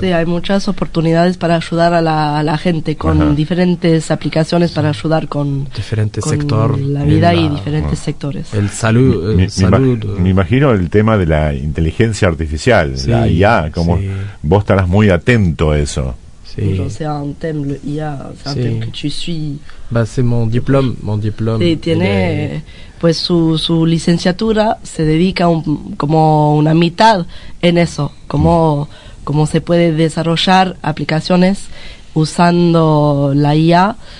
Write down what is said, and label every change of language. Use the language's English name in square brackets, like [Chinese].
[Spanish] Sí, hay muchas oportunidades para ayudar a la gente con ajá. diferentes aplicaciones para ayudar con diferentes sectores, la vida y diferentes bueno. sectores. El salud, me imagino el tema de la inteligencia artificial, sí, la IA, como sí. vos estarás muy atento a eso. Sí, [French] c'est un thème, le IA, c'est un thème que tu suis. Bah, c'est mon diplôme, [Spanish] Sí, tiene, pues su licenciatura se dedica como una mitad en eso, como cómo se puede desarrollar aplicaciones usando la IA